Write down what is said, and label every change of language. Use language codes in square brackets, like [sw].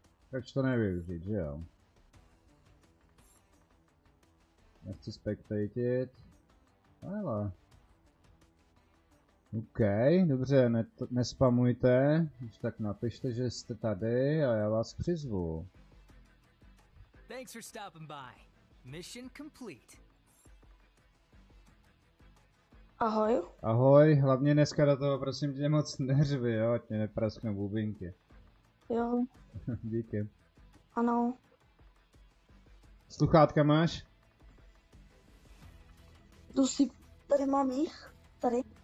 [cs] Proč to nevyužít, že jo? Nechci spectatit. Hele. OK, dobře, nespamujte. Už tak napište, že jste tady a já vás přizvu. [en] Thanks for stopping by. Mission complete. [cs] Ahoj. Ahoj, hlavně dneska do toho prosím tě moc nervy, jo, ať mě neprasknou bubinky. Jo. Díky. Ano. Sluchátka máš? Tu si, tady mám jich, tady.